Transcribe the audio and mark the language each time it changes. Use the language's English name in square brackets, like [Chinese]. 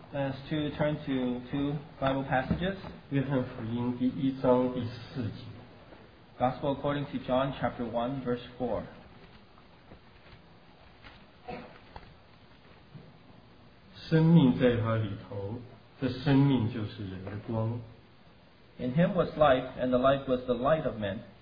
[English] Let's to turn to two Bible passages. [Chinese] 约翰福音第一章第四节。 [English] Gospel according to John chapter 1 verse 4. [Chinese] 生命在他里头，这生命就是人的光。 [English] In him was life, and the life was the light of men.